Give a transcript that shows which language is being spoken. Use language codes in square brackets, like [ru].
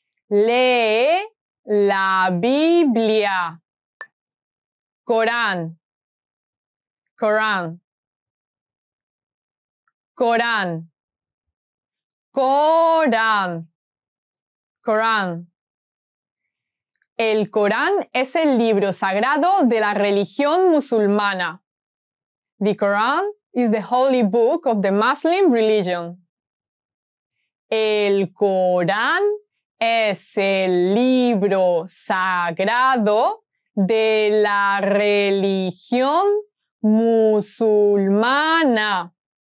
[es] Lee la Biblia. Corán. Corán. Corán. Corán. Corán. El Corán es el libro sagrado de la religión musulmana. [en] The Quran is the holy book of the Muslim religion. [es] El Corán es el libro sagrado de la religión musulmana.